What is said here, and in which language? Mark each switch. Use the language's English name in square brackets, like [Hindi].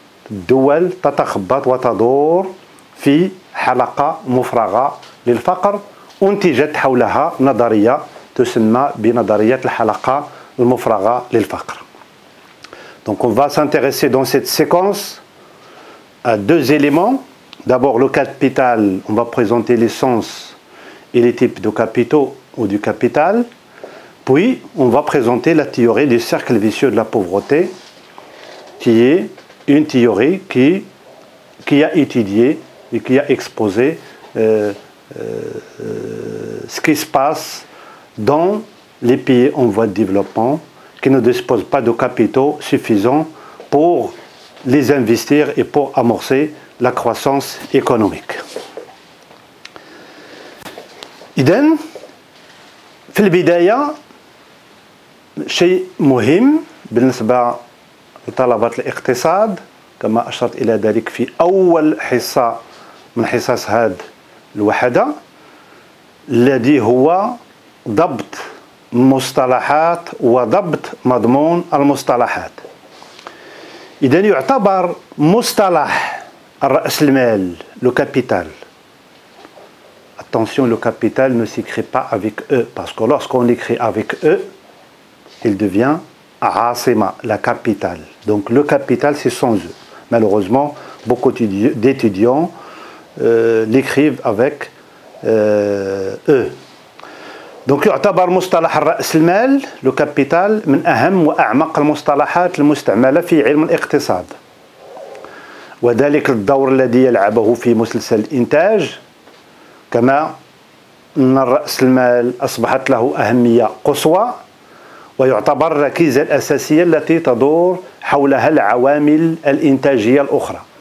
[Arabic] الدول تتخبط وتدور في حلقة مفرغة للفقر أنتجت حولها نظرية تسمى بنظرية الحلقة المفرغة للفقر. [French] Donc on va s'intéresser dans cette séquence à deux éléments. D'abord le capital, on va présenter les sens et les types de capitaux ou du capital. Puis on va présenter la théorie du cercle vicieux de la pauvreté, qui est une théorie qui a étudié et qui a exposé ce qui se passe dans les pays en voie de développement qui ne disposent pas de capitaux suffisants pour les investir et pour amorcer la croissance économique. [Arabic] Idem, في البداية شيء مهم بالنسبة لطلبة الاقتصاد, كما أشرت إلى ذلك في أول حصة من حصص هذه الوحدة, الذي هو ضبط مصطلحات وضبط مضمون المصطلحات. إذن يعتبر مصطلح الرأس المال لو كابيتال, [French] attention, le capital ne s'écrit pas avec E, parce que lorsqu'on l'écrit avec E, il devient Asema, la capitale. Donc le capital, c'est sans E. Malheureusement, beaucoup d'étudiants l'écrivent avec E. [Arabic] Donc, يعتبر مصطلح رأس المال, le capital, من أهم وأعمق المصطلحات المستعملة في علم الاقتصاد. وذلك الدور الذي يلعبه في مسلسل الإنتاج, كما أن رأس المال أصبحت له أهمية قصوى, ويعتبر الركيزة الأساسية التي تدور حولها العوامل الإنتاجية الأخرى.